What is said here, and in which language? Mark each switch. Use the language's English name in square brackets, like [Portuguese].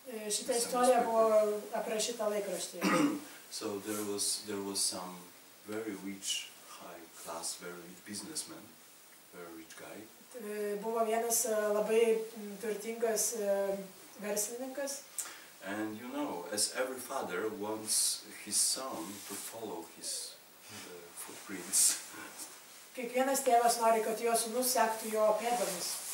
[Lithuanian] Šita istorija buvo aprašyta laikraštyje. [English] So there was some very rich, high class, very rich businessman, very rich guy. [Lithuanian] Buvo vienas labai turtingas verslininkas. [English] And you know, as every father wants his son to follow his footprints. [Lithuanian] Kiekvienas tėvas nori, kad jo sūnus sektų jo pėdomis.